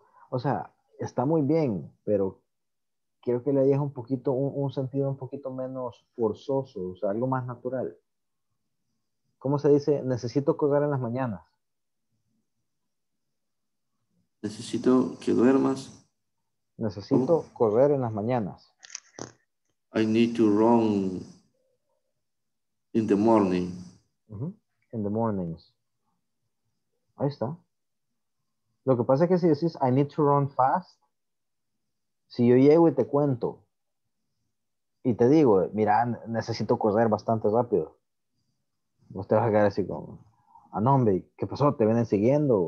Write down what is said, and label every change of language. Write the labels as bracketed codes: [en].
[es] O sea, está muy bien, pero quiero que le deje un poquito, un sentido un poquito menos forzoso, o sea, algo más natural. ¿Cómo se dice? Necesito colgar en las mañanas. Necesito que duermas. Necesito correr en las mañanas. [en] I need to run in the morning. Uh-huh. In the mornings. [es] Ahí está. Lo que pasa es que si decís [en] I need to run fast, [es] si yo llego y te cuento y te digo, mira, necesito correr bastante rápido, vos te vas a quedar así como, ah, no, hombre, ¿qué pasó? ¿Te vienen siguiendo?